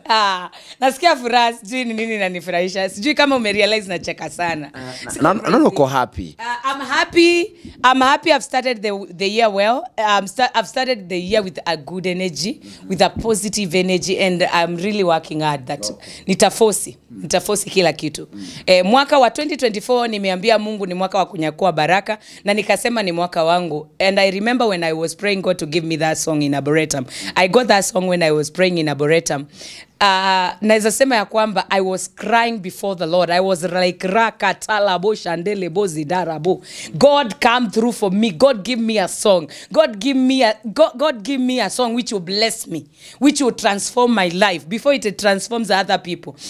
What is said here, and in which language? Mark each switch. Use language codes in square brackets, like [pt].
[sw] Ah, nasikia furaha, sijui ni nini nanifurahisha. Sijui kama umerealize na cheka sana. Nuko happy. [en] I'm happy. I've started the year well. I've started the year with a good energy, with a positive energy, and I'm really working hard that. [sw] Nitafosi kila kitu. Mwaka wa 2024, nimeambia Mungu ni mwaka wa kunyakua baraka, na nikasema ni mwaka wangu. [en] And I remember when I was praying God to give me that song in Arboretum. I got that song when I was praying in Arboretum. [sw] Naweza sema ya kwamba, [en] I was crying before the Lord. I was like, raka, talabo, shandele, bozi, darabo. God come through for me. God give me a song. God give me a song which will bless me, which will transform my life before it transforms other people.